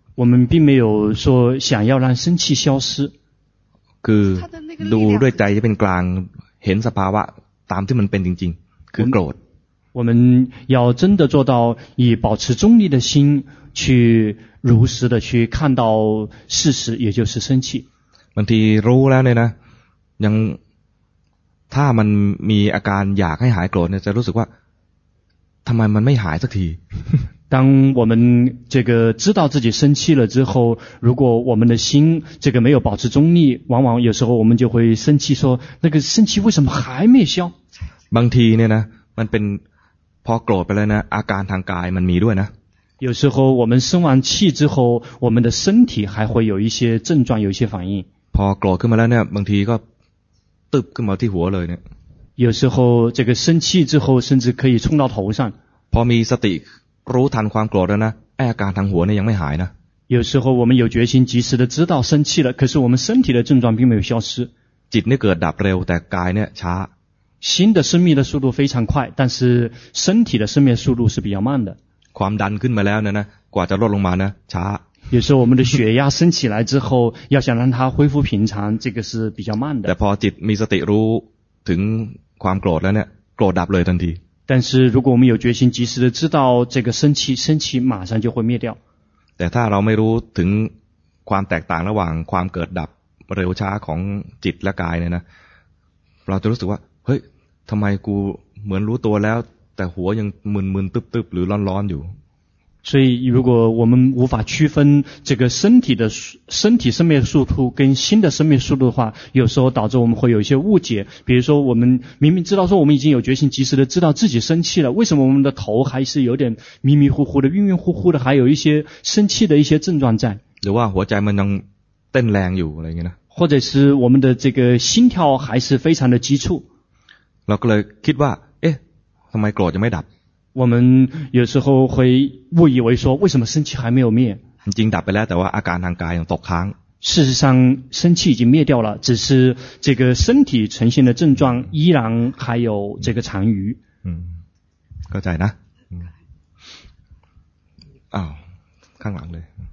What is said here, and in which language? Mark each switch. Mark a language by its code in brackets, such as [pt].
[zh] 我们并没有说想要让生气消失 [th] คือดูด้วยใจที่เป็นกลางเห็นสภาวะตามที่มันเป็นจริงๆคือโกรธ [zh] 我们要真的做到以保持中立的心去如实的去看到事实也就是生气 [th] บางทีรู้แล้วเนี่ยนะยังถ้ามันมีอาการอยากให้หายโกรธเนี่ยจะรู้สึกว่าทำไมมันไม่หายสักที [zh] 当我们这个知道自己生气了之后如果我们的心这个没有保持中立往往有时候我们就会生气说那个生气为什么还没消 [th] บางทีเนี่ยนะมันเป็นพอโกรธไปแล้วนะอาการทางกายมันมีด้วยนะ [zh] 有时候我们生完气之后我们的身体还会有一些症状有一些反应 [th] พอโกรธขึ้นมาแล้วเนี่ยบางทีก็ตึบขึ้นมาที่หัวเลยเนี่ย [zh] 有时候这个生气之后甚至可以冲到头上 [th] พอมีสติรู้ทันความโกรธแล้วนะอาการทางหัวเนี่ยยังไม่หายนะ [zh] 有时候我们有决心及时的知道生气了可是我们身体的症状并没有消失 [th] จิตเนี่ยเกิดดับเร็วแต่กายเนี่ยช้า [zh] 心的生灭的速度非常快但是身体的生灭速度是比较慢的 [th] ความดันขึ้นมาแล้วนะกว่าจะลดลงมานะช้า [zh] 有时候我们的血压升起来之后要想让它恢复平常这个是比较慢的 [th] แต่พอจิตมีสติรู้ถึงความโกรธแล้วเนี่ยโกรธดับเลยทันที [zh] 但是如果我们有决心及时的知道这个生气马上就会灭掉 [th] แต่ถ้าเราไม่รู้ถึงความแตกต่างระหว่างความเกิดดับเร็วช้าของจิตและกายเนี่ยนะเราจะรู้สึกว่าเฮ้ยทำไมกูเหมือนรู้ตัวแล้วแต่หัวยังมึนๆตึบๆหรือร้อนๆอยู่ [zh] 所以如果我们无法区分这个身体生灭速度跟心的生灭速度的话有时候导致我们会有一些误解比如说我们明明知道说我们已经有决心及时的知道自己生气了为什么我们的头还是有点迷迷糊糊的晕晕乎乎的还有一些生气的一些症状在 [th] หรือว่าหัวใจมันยังเต้นแรงอยู่อะไรอย่างเงี้ยนะ [zh] 或者是我们的这个心跳还是非常的急促 [th] เราก็เลยคิดว่าเอ๊ะทำไมโกรธยังไม่ดับ [zh] 我们有时候会误以为说为什么生气还没有灭 [th] จริงดับไปแล้วแต่ว่าอาการทางกายยังตกค้าง [zh] 事实上生气已经灭掉了只是这个身体呈现的症状依然还有这个残余 [th] เข้าใจนะอ้าวข้างหลังเลย